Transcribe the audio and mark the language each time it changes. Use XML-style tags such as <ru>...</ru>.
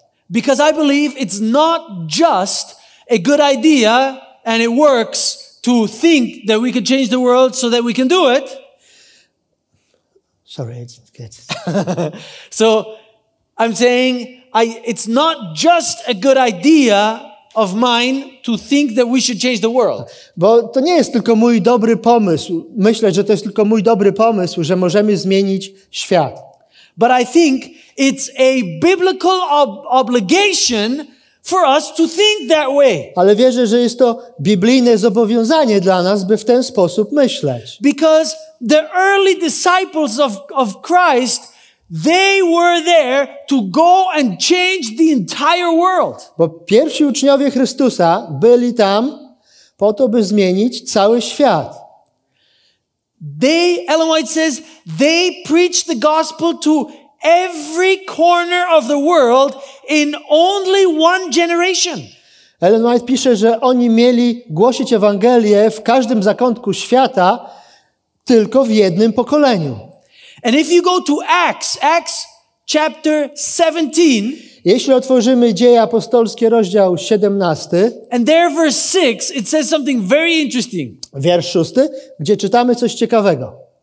<en>Because I believe it's not just a good idea and it works to think that we can change the world so that we can do it. Sorry, I didn't get it. So I'm saying it's not just a good idea of mine to think that we should change the world.</en> <pl>Bo to nie jest tylko mój dobry pomysł. Myślę, że to jest tylko mój dobry pomysł, że możemy zmienić świat.</pl> <en>But I think it's a biblical obligation for us to think that way.</en> <pl>Ale wierzę, że jest to biblijne zobowiązanie dla nas, by w ten sposób myśleć.</pl> <en>Because the early disciples of Christ, they were there to go and change the entire world.</en> <pl>Bo pierwsi uczniowie Chrystusa byli tam po to, by zmienić cały świat.</pl> <en>They, Ellen White says, they preached the gospel to every corner of the world in only one generation.</en> <pl>Ellen White pisze, że oni mieli głosić Ewangelię w każdym zakątku świata tylko w jednym pokoleniu.</pl> <en>And if you go to Acts chapter 17,</en> <pl>jeśli otworzymy Dzieje Apostolskie rozdział 17,</pl> <en>and there verse 6, it says something very interesting.</en> <pl>Wiersz 6, gdzie czytamy coś ciekawego.</pl>